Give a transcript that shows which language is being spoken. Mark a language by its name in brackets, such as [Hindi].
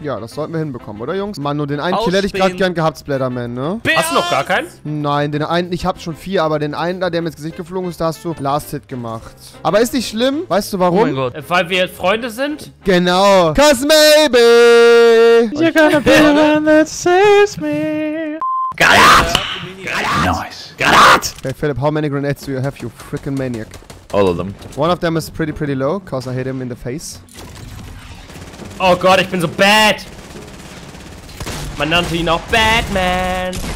[German] Ja, das sollten wir hinbekommen, oder Jungs? Mann, nur den einen Kill hätte ich gerade gern gehabt, Splatterman, ne? Hast du noch gar keinen? Nein, den einen, ich habe schon 4, aber den einen da, der mir ins Gesicht geflogen ist, da hast du Last Hit gemacht. Aber ist nicht schlimm, weißt du warum? Oh mein Gott. Weil wir jetzt Freunde sind? Genau. [English] Cause maybe you're gonna be the one that saves me. Got it! Nice. Got it! Hey Philip, how many grenades do you have, you freaking maniac? All of them. One of them is pretty, pretty low, cause I hit him in the face. Oh god, [German] ich bin so bad! Man nannte ihn auch Batman!